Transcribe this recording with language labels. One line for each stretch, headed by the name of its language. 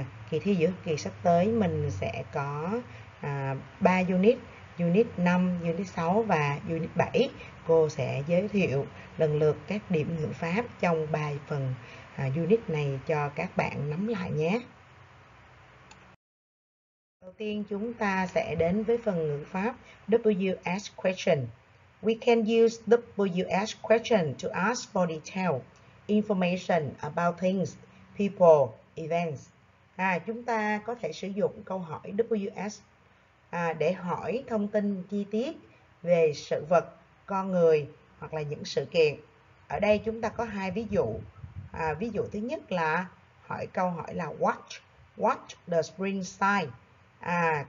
Vietnamese: Kỳ thi giữa học kỳ sắp tới mình sẽ có 3 unit, unit 5, unit 6 và unit 7. Cô sẽ giới thiệu lần lượt các điểm ngữ pháp trong 3 phần unit này cho các bạn nắm lại nhé. Đầu tiên chúng ta sẽ đến với phần ngữ pháp WH question.
English: We can use WH question to ask for detail information about things, people, events.
Vietnamese: Chúng ta có thể sử dụng câu hỏi WH để hỏi thông tin chi tiết về sự vật, con người hoặc là những sự kiện. Ở đây chúng ta có hai ví dụ. Ví dụ thứ nhất là hỏi câu hỏi là
English: What the screen size?